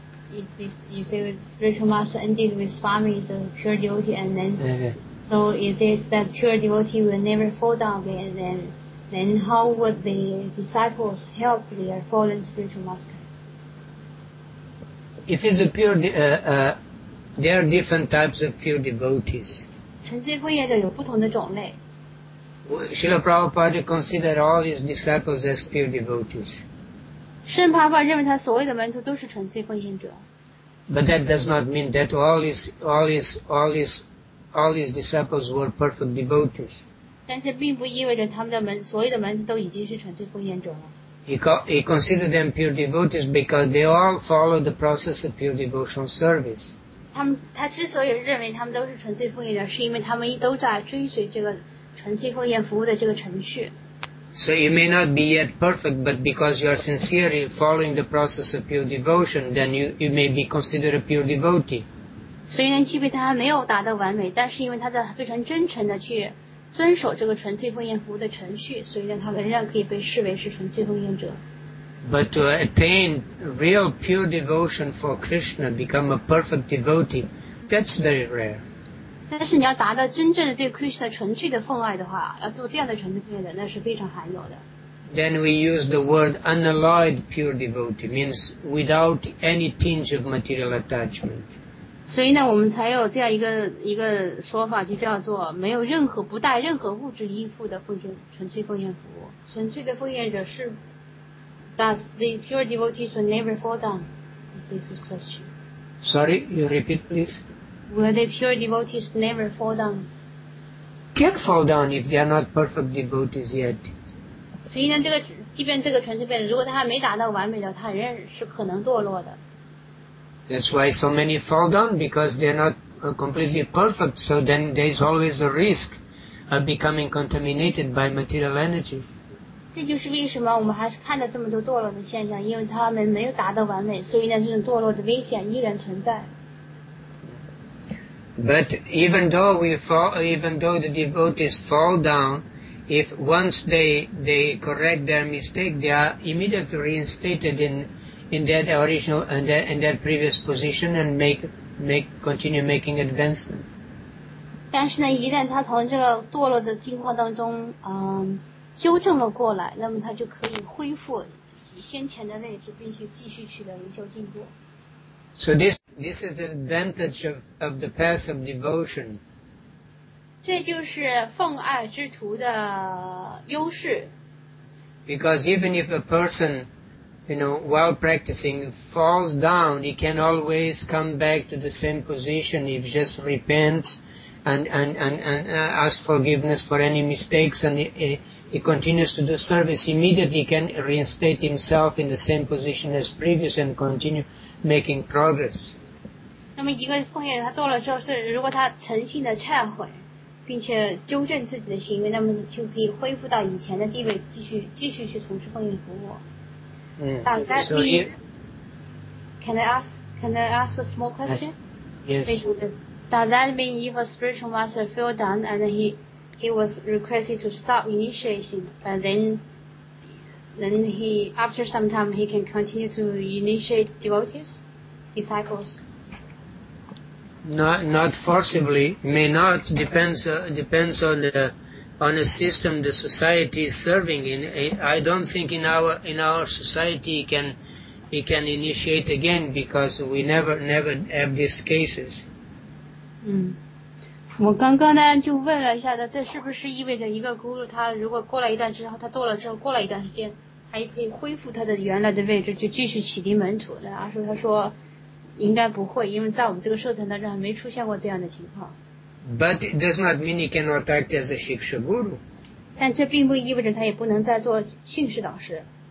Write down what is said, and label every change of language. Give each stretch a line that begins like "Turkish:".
English: Is this you say spiritual master ended with Swami the pure devotee and then so is it that pure devotee will never fall down again? And then how would the disciples help their fallen spiritual master? If it's a pure, there are different types of pure devotees.
Chinese: 纯粹奉献者有不同的种类。
English: Srila Prabhupada considered all his disciples as pure devotees.
Chinese: 圣帕帕认为他所谓的门徒都是纯粹奉献者。
English: But that does not mean that all his disciples were perfect devotees.
Chinese: 但是并不意味着他们的门所谓的门徒都已经是纯粹奉献者了。
English: He considered them pure devotees because they all follow the process of pure devotional service.
Chinese: He 之所以认为他们都是纯粹奉献者，是因为他们都在追随这个纯粹奉献服务的这个程序。
English: So you may not be yet perfect, but because you are sincerely following the process of pure devotion, then you may be considered a pure devotee.
Chinese: 所以呢，即便他还没有达到完美，但是因为他在非常真诚的去。遵守这个纯粹奉献服务的程序，所以呢，他仍然可以被视为是纯粹奉献者。
English: But to attain real pure devotion for Krishna, become a perfect devotee, that's very rare.
Chinese: 但是你要达到真正的对 Krishna 纯粹的奉爱的话，要做这样的纯粹奉献者，那是非常罕有的。
English: then we use the word unalloyed pure devotee, means without any tinge of material attachment.
Chinese: 所以呢，我们才有这样一个说法，就叫做没有任何不带任何物质依附的奉献，纯粹奉献服务。纯粹的奉献者是
English: ，Does the pure devotee should never fall down? This is the question. Sorry, you repeat, please. Will the pure devotees never fall down? Can't fall down if they are not perfect devotees yet.
Chinese: 所以呢，这个即便这个纯粹奉献，如果他还没达到完美的，他仍然是可能堕落的。
English: That's why so many fall down, because they're not completely perfect, so then there's always a risk of becoming contaminated by material energy.
Chinese: 这就是为什么我们还是看到这么多堕落的现象，因为他们没有达到完美，所以呢，这种堕落的危险依然存在。
English: But even though we fall, even though the devotees fall down, if once they correct their mistake, they are immediately reinstated in their original and their previous position and make continue making advancement.
Chinese: 但是呢，一旦他从这个堕落的境况当中，纠正了过来，那么他就可以恢复先前的位置，并且继续取得灵修进步。
English: So this is the advantage of the path of devotion.
Chinese: 这就是奉爱之徒的优势。
English: Because even if a person, you know, while practicing falls down, he can always come back to the same position if he just repents and asks forgiveness for any mistakes and he continues to do service. Immediately he can reinstate himself in the same position as previous and continue making progress.
Chinese: 那么一个奉献他堕落之后是如果他诚信的忏悔并且纠正自己的行为，那么就可以恢复到以前的地位，继续去从事奉献服务。
English: Does that mean, can I ask a small question? Yes. Does that mean if a spiritual master fell down and he was requested to stop initiation, but then he, after some time, he can continue to initiate devotees, disciples? Not forcibly, may not, depends on the system the society is serving in. I don't think in our society he can initiate again, because we never have these cases.
Chinese: 我刚刚呢就问了一下，这是不是意味着一个guru他如果过了一段之后，他堕了之后过了一段时间，他也可以恢复他的原来的位置，就继续启迪门徒的？他说应该不会，因为在我们这个社团当中还没出现过这样的情况。
English: But it does not mean he cannot act as a shiksha guru.
Chinese: 但这并不意味着他也不能再做训士导师。